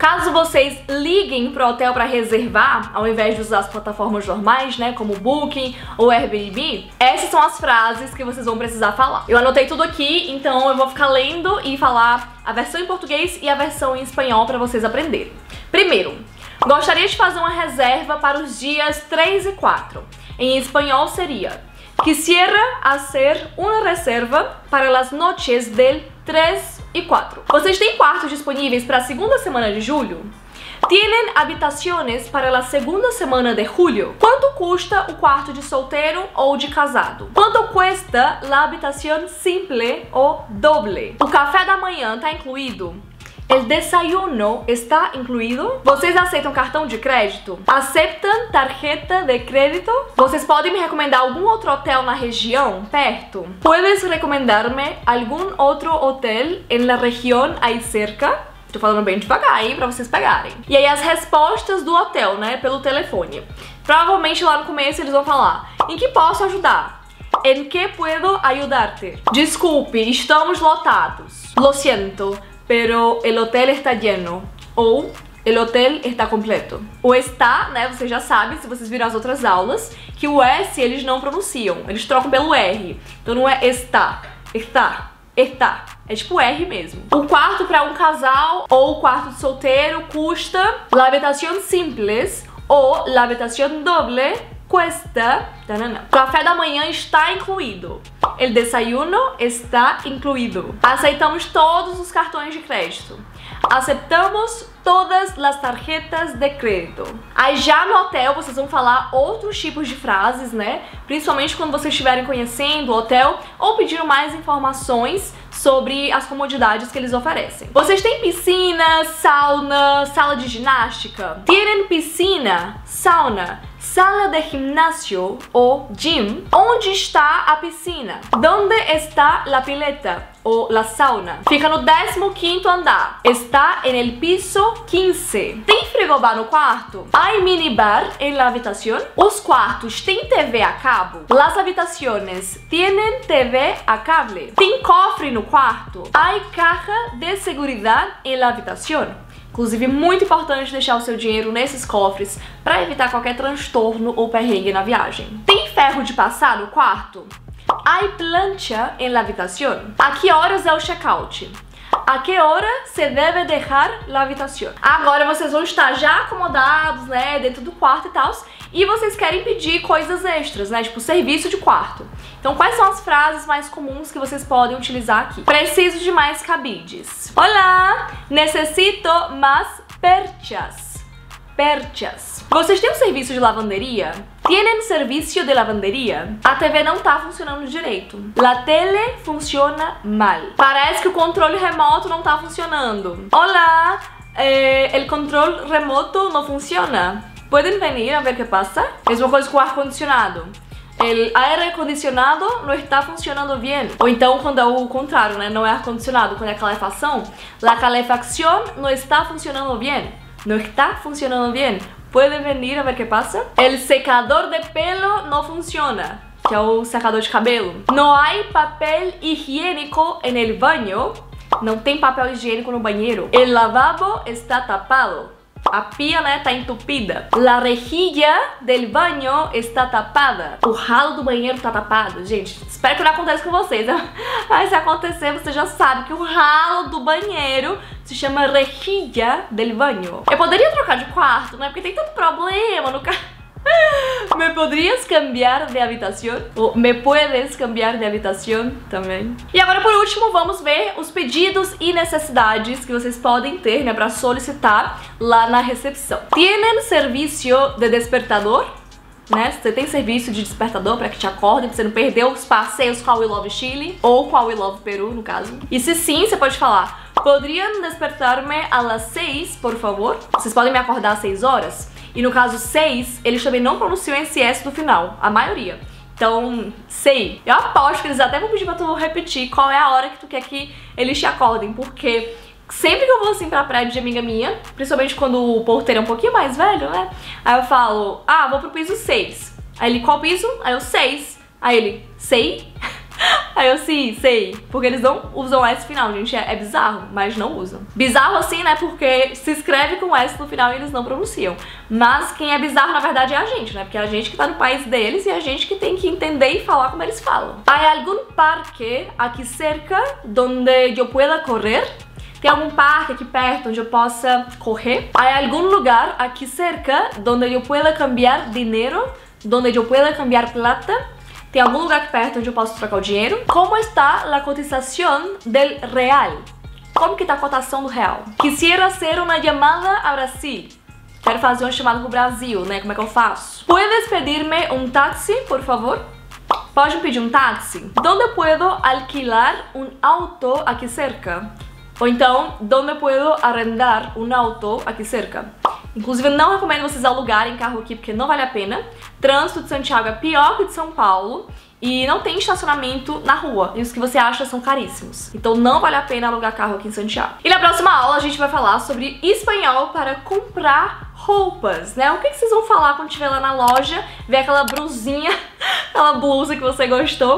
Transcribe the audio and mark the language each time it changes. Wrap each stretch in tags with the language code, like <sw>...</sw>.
<pt>Caso vocês liguem pro hotel para reservar, ao invés de usar as plataformas normais, né, como Booking ou Airbnb, essas são as frases que vocês vão precisar falar. Eu anotei tudo aqui, então eu vou ficar lendo e falar a versão em português e a versão em espanhol para vocês aprenderem. Primeiro, gostaria de fazer uma reserva para os dias 3 e 4. Em espanhol seria:</pt> <es>quisiera hacer una reserva para las noches del 3 y 4.</es> <pt>¿Vocês têm quartos disponíveis para a segunda semana de julho?</pt> <es>¿Tienen habitaciones para la segunda semana de julio? ¿Cuánto cuesta un cuarto de soltero o de casado? ¿Cuánto cuesta la habitación simple o doble?</es> <pt>¿O café da manhã está incluido?</pt> <es>¿El desayuno está incluído?</es> <pt>¿Vocês aceitam cartão de crédito?</pt> <es>¿Aceptan tarjeta de crédito?</es> <pt>¿Vocês podem me recomendar algum outro hotel na região, perto?</pt> <es>¿Puedes recomendarme algún otro hotel en la región ahí cerca?</es> <pt>Tô falando bem devagar aí pra vocês pegarem. E aí as respostas do hotel, né, pelo telefone. Provavelmente lá no começo eles vão falar: em que posso ajudar?</pt> <es>¿En qué puedo ayudarte?</es> <pt>Desculpe, estamos lotados.</pt> <es>Lo siento, pero el hotel está lleno. Ou el hotel está completo.</es> <pt>O está, né, vocês já sabem, se vocês viram as outras aulas, que o S eles não pronunciam, eles trocam pelo R. Então não é está, está, está. É tipo R mesmo. O quarto para um casal ou o quarto de solteiro custa:</pt> <es>la habitación simples ou la habitación doble cuesta.</es> <pt>Café da manhã está incluído.</pt> <es>El desayuno está incluído.</es> <pt>Aceitamos todos os cartões de crédito.</pt> <es>Aceptamos todas las tarjetas de crédito.</es> <pt>Aí já no hotel vocês vão falar outros tipos de frases, né? Principalmente quando vocês estiverem conhecendo o hotel ou pedindo mais informações sobre as comodidades que eles oferecem. Vocês têm piscina, sauna, sala de ginástica?</pt> <es>Tienen piscina, sauna, sala de gimnasio o gym?</es> <pt>Onde está a piscina?</pt> <es>¿Dónde está la pileta o la sauna?</es> <pt>Fica no 15º andar.</pt> <es>Está en el piso 15.</es> <pt>¿Tem frigobar no quarto?</pt> <es>¿Hay minibar en la habitación?</es> <pt>¿Os cuartos têm TV a cabo?</pt> <es>¿Las habitaciones tienen TV a cable?</es> <pt>¿Tem cofre no quarto?</pt> <es>¿Hay caja de seguridad en la habitación?</es> <pt>Inclusive, muito importante deixar o seu dinheiro nesses cofres para evitar qualquer transtorno ou perrengue na viagem. Tem ferro de passar no quarto?</pt> <es>¿Hay plancha en la habitación?</es> <pt>¿A que horas é o check-out?</pt> <es>¿A qué hora se debe dejar la habitación?</es> <pt>Agora vocês vão estar já acomodados, né, dentro do quarto e tal, e vocês querem pedir coisas extras, né, tipo serviço de quarto. Então, quais são as frases mais comuns que vocês podem utilizar aqui? Preciso de mais cabides. Olá!</pt> <es>Necesito más perchas. Perchas.</es> <pt>Vocês têm um serviço de lavanderia?</pt> <es>¿Tienen servicio de lavandería?</es> <pt>A TV não tá funcionando direito.</pt> <es>La tele funciona mal.</es> <pt>Parece que o controle remoto não tá funcionando.</pt> <es>Hola, el control remoto no funciona. ¿Pueden venir a ver qué pasa?</es> <pt>Mesma coisa com o ar-condicionado.</pt> <es>El aire acondicionado no está funcionando bien.</es> <pt>Ou então quando é o contrário, né? Não é ar-condicionado, quando é a calefação.</pt> <es>La calefacción no está funcionando bien. No está funcionando bien. ¿Puede venir a ver qué pasa? El secador de pelo no funciona.</es> <pt>Que é o secador de cabelo.</pt> <es>No hay papel higiênico en el baño.</es> <pt>Não tem papel higiênico no banheiro.</pt> <es>El lavabo está tapado.</es> <pt>A pia, né, tá entupida.</pt> <es>La rejilla del baño está tapada.</es> <pt>O ralo do banheiro tá tapado. Gente, espero que não aconteça com vocês, né? Mas se acontecer, você já sabe que o ralo do banheiro se chama rejilla del baño. Eu poderia trocar de quarto, né? Porque tem tanto problema no carro.</pt> <es>Me podrías cambiar de habitación? Ou me puedes cambiar de habitación?</es> <pt>Também. E agora, por último, vamos ver os pedidos e necessidades que vocês podem ter, né, pra solicitar lá na recepção.</pt> <es>¿Tienen servicio de despertador?</es> <pt>Né? Você tem serviço de despertador para que te acorde, pra você não perder os passeios com a We Love Chile ou com a We Love Peru, no caso. E se sim, você pode falar:</pt> <es>¿Podrían despertarme a las 6, por favor?</es> <pt>Vocês podem me acordar às 6 horas? E no caso 6, eles também não pronunciam esse S do final, a maioria. Então, sei. Eu aposto que eles até vão pedir pra tu repetir qual é a hora que tu quer que eles te acordem, porque sempre que eu vou assim pra praia de amiga minha, principalmente quando o porteiro é um pouquinho mais velho, né? Aí eu falo: ah, vou pro piso 6. Aí ele: qual piso? Aí eu: 6. Aí ele: sei? Aí eu: sim, sei. Porque eles não usam S final, gente. É bizarro, mas não usam. Bizarro assim, né? Porque se escreve com S no final e eles não pronunciam. Mas quem é bizarro, na verdade, é a gente, né? Porque é a gente que tá no país deles e a gente que tem que entender e falar como eles falam.</pt> <es>Hay algún parque aquí cerca donde yo pueda correr?</es> <pt>Tem algum parque aqui perto onde eu possa correr?</pt> <es>Hay algún lugar aquí cerca donde yo pueda cambiar dinero? Donde yo pueda cambiar plata?</es> <pt>Tem algum lugar aqui perto onde eu posso trocar o dinheiro?</pt> <es>Como está la cotización del real?</es> <pt>Como que está a cotação do real?</pt> <es>Quisiera hacer una llamada a Brasil.</es> <pt>Quero fazer uma chamada pro Brasil, né? Como é que eu faço?</pt> <es>¿Puedes pedirme un taxi, por favor?</es> <pt>Pode me pedir um táxi?</pt> <es>¿Dónde puedo alquilar un auto aquí cerca?</es> <pt>Ou então,</pt> <es>¿dónde puedo arrendar un auto aquí cerca?</es> <pt>Inclusive, eu não recomendo vocês alugarem carro aqui, porque não vale a pena. Trânsito de Santiago é pior que o de São Paulo e não tem estacionamento na rua. E os que você acha são caríssimos. Então não vale a pena alugar carro aqui em Santiago. E na próxima aula a gente vai falar sobre espanhol para comprar roupas, né? O que vocês vão falar quando estiver lá na loja, ver aquela blusinha, aquela blusa que você gostou?</pt>